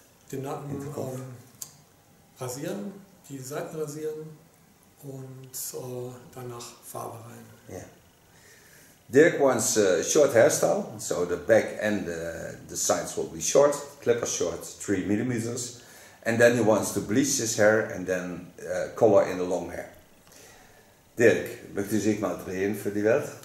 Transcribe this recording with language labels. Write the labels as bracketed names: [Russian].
[German] Den Nacken rasieren, die Seiten rasieren und danach Farbe rein. Ja. [English] Dirk wants a short hairstyle, so the back and the sides will be short, clipper short, 3 mm. And then he wants to bleach his hair and then color in the long hair. [German] Dirk, möchte sich mal drehen für die Welt?